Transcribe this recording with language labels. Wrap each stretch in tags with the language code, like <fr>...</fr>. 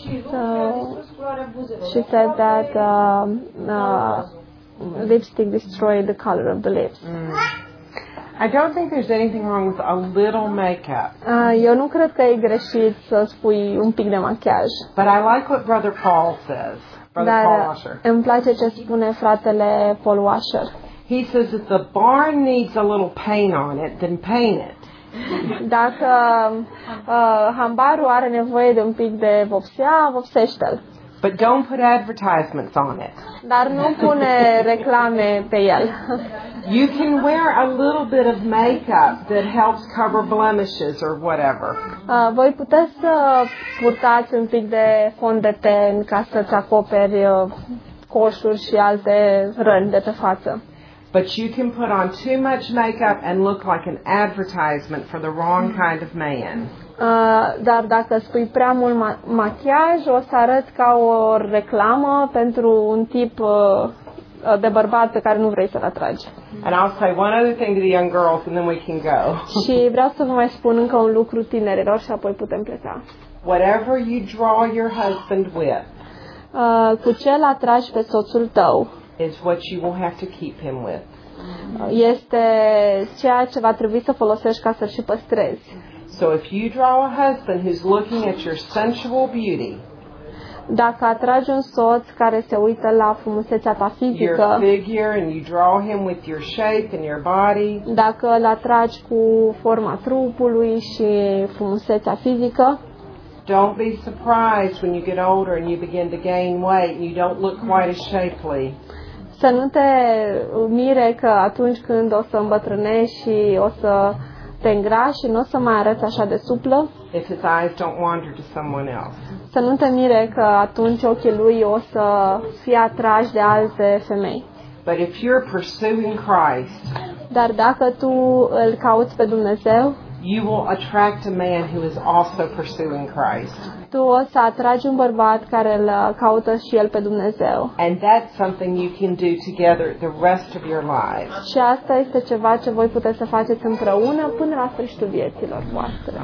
<en>So she said that lipstick destroyed the color of the lips. I don't think there's anything wrong with a little makeup.</en> <ro>Eu nu cred că e greșit să spui un pic de machiaj.</ro> <en>But I like what Brother Paul says. Brother Paul Washer.</en> <ro>Îmi place ce spune fratele Paul Washer.</ro> <en>He says if the barn needs a little paint on it, then paint it.</en> <ro>Dacă hambarul are nevoie de un pic de vopsea, vopsește-l.</ro> <en>But don't put advertisements on it.</en> <ro>Dar nu pune reclame pe el.</ro> <en>You can wear a little bit of makeup that helps cover blemishes or whatever.</en> <ro>Voi puteți să purtați un pic de fond de ten ca să-ți acoperi coșuri și alte răni de pe față.</ro> <en>But you can put on too much makeup and look like an advertisement for the wrong kind of man.</en> <ro>Dar dacă spui prea mult machiaj, o să arăți ca o reclamă pentru un tip de bărbat pe care nu vrei să-l atragi.</ro> <en>And I'll say one other thing to the young girls and then we can go.</en> <ro>Și vreau să vă mai spun încă un lucru tinerilor și apoi putem pleca.</ro> <en>Whatever you draw your husband with.</en> <ro>Cu ce îl atragi pe soțul tău?</ro> <en>Is what you will have to keep him with.</en> <ro>Este ceea ce va trebui să folosești ca să-l și păstrezi.</ro> <en>So if you draw a husband who's looking at your sensual beauty,</en> <ro>dacă atragi un soț care se uită la frumusețea ta fizică,</ro> <en>your figure, and you draw him with your shape and your body,</en> <ro>dacă îl atragi cu forma trupului și frumusețea fizică,</ro> <en>don't be surprised when you get older and you begin to gain weight and you don't look quite as shapely.</en> <ro>Să nu te mire că atunci când o să îmbătrânești și o să te îngrași și nu o să mai arăți așa de suplă.</ro> <en>If his eyes don't wander to someone else.</en> <ro>Să nu te mire că atunci ochii lui o să fie atrași de alte femei.</ro> <en>But if you're pursuing Christ,</en> <ro>dar dacă tu îl cauți pe Dumnezeu,</ro> <en>you will attract a man who is also pursuing Christ.</en> <ro>Tu o să atragi un bărbat care îl caută și el pe Dumnezeu.</ro> <en>And that's something you can do together the rest of your lives.</en> <ro>Și asta este ceva ce voi puteți să faceți împreună până la sfârșitul vieților voastre.</ro>